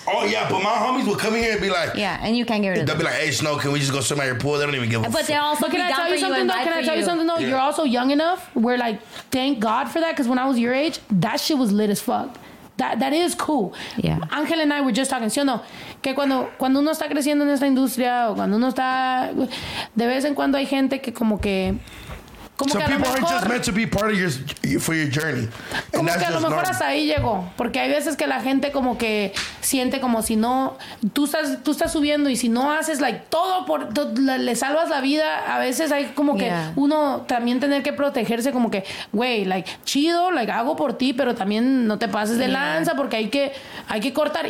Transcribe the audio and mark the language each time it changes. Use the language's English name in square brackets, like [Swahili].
[English] Oh, yeah, but my homies will come in here and be like... Yeah, and you can't get rid of them. They'll be like, hey, Snow, can we just go swim at your pool? They don't even give a fuck. They're also Can I tell you something, though? Yeah. You're also young enough where, like, thank God for that, because when I was your age, that shit was lit as fuck. That is cool. Yeah. Angel and I were just talking, [Spanish] ¿sí o no? Que cuando uno está creciendo en esta industria o cuando uno está... De vez en cuando hay gente que como que... [English] Como some que people aren't just meant to be part of for your journey. [Spanish] And como que a lo mejor hasta ahí llegó. Porque hay veces que la gente como que siente como si no... Tú estás subiendo y si no haces like todo por... le salvas la vida. A veces hay como que uno también tener que protegerse como que... Güey, like, chido, like, hago por ti, pero también no te pases de lanza porque hay que cortar.